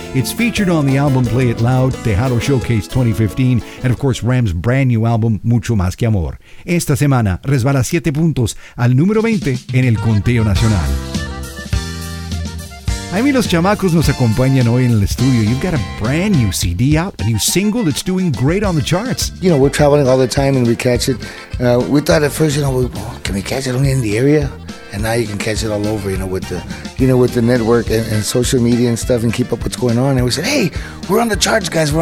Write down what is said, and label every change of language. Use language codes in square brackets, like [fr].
[en] It's featured on the album Play It Loud, Tejano Showcase 2015, and of course Ram's brand new album, Mucho Más Que Amor. [es] Esta semana resbala 7 puntos al número 20 en el conteo nacional. Ahí los chamacos nos acompañan hoy en el estudio. [en] You've got a brand new CD out, a new single that's doing great on the charts. You know, we're traveling all the time and we catch it. We thought at first, you know, can we catch it only in the area? And now you can catch it all over, you know, with the network and social media and stuff and keep up what's going on. And we said, hey, we're on the charts, guys.